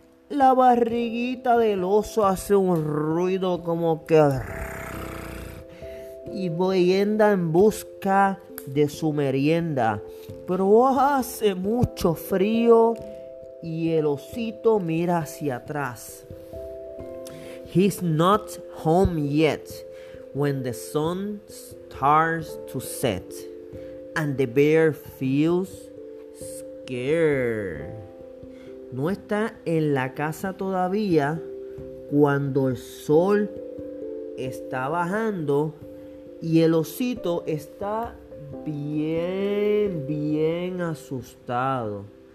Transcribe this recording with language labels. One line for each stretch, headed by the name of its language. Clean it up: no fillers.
Spanish: La barriguita del oso hace un ruido como que y anda en busca de su merienda, pero hace mucho frío y el osito mira hacia atrás.
English: He's not home yet when the sun starts to set and the bear feels scared.
Spanish: No está en la casa todavía cuando el sol está bajando y el osito está bien asustado.